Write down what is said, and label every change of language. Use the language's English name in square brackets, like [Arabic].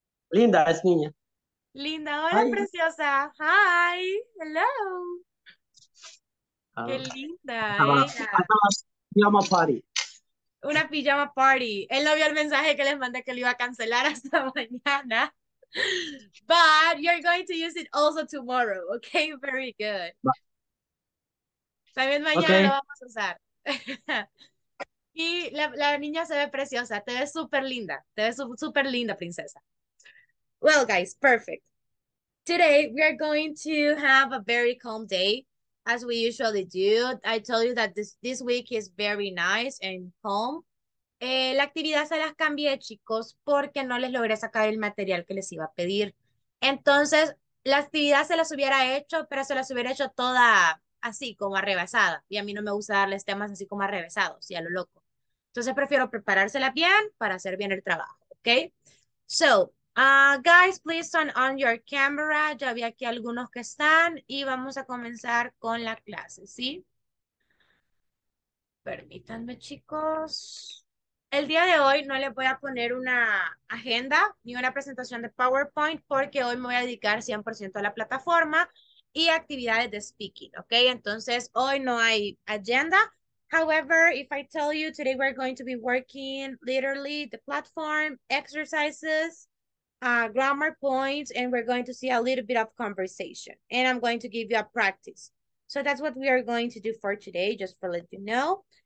[Spanish] Linda es niña. Linda, hola, [English] Hi. [Spanish] preciosa. [English] ¡Hi! ¡Hello! [Spanish] ¡Qué linda era! [English] Party. [Spanish] Una pijama party. Él no vio el mensaje que les mandé que lo iba a cancelar hasta mañana. [English] But you're going to use it also tomorrow, okay? Very good. [Spanish] También mañana lo [English] Okay. [Spanish] vamos a usar. Y la niña se ve preciosa. Te ves súper linda. Te ves súper linda, princesa. [English] Well, guys, perfect. Today we are going to have a very calm day. As we usually do, I told you that this week is very nice and calm. [Spanish] La actividad se las cambié, chicos, porque no les logré sacar el material que les iba a pedir. Entonces, la actividad se las hubiera hecho, pero se las hubiera hecho toda así, como arrevesada. Y a mí no me gusta darles temas así como arrevesados, y a lo loco. Entonces, prefiero preparárselas bien para hacer bien el trabajo, ¿ok? [English] So, guys, please turn on your camera. [Spanish] Ya vi aquí algunos que están y vamos a comenzar con la clase, ¿sí? Permítanme, chicos. El día de hoy no les voy a poner una agenda ni una presentación de PowerPoint porque hoy me voy a dedicar 100% a la plataforma y actividades de speaking, ¿ok? Entonces, hoy no hay agenda. [English] However, if I tell you today we're going to be working literally the platform, exercises, grammar points, and we're going to see a little bit of conversation. And I'm going to give you a practice. So that's what we are going to do for today, just for let you know.